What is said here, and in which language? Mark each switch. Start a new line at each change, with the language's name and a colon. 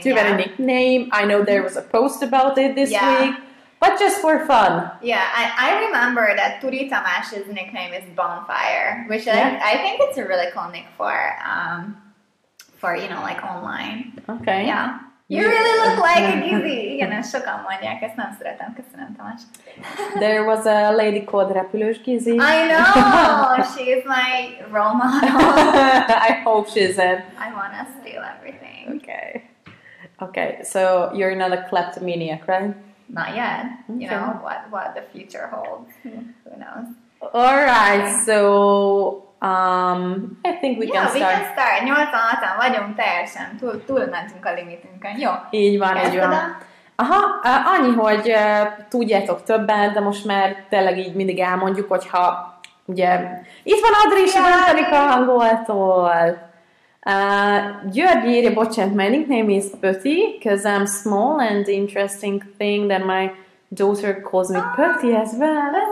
English: Do you have a nickname? I know there was a post about it this week. But just for fun. Yeah, I remember that Turi Tamash's nickname is Bonfire. Which I think it's a really cool nick for, you know, like online. Okay. Yeah. You really look like a Gizzy.
Hungarian: Igen, ezt sokan mondják, ezt nem szeretem. Köszönöm, Tamás.
English: There was a lady called Repülős Gizzy. I know! She is my role model. I hope she isn't. I want to steal everything. Okay. Okay, so you're not a kleptomaniac, right? Not yet. Okay. You know, what the future holds. Who knows? All right, okay. So... I think we can start. Yeah, we can start.
Hungarian: 86-an vagyunk teljesen, túlmentünk a limitünkön, jó? Így van, így van. Aha, annyi, hogy tudjátok többen, de most már tényleg így mindig elmondjuk, hogyha, ugye, itt van Adri is, a Dantanika angoltól. Györgyi írja, bocsánat,
English: my nickname is Pöti, because I'm small and interesting thing that my daughter calls me Pöti as well.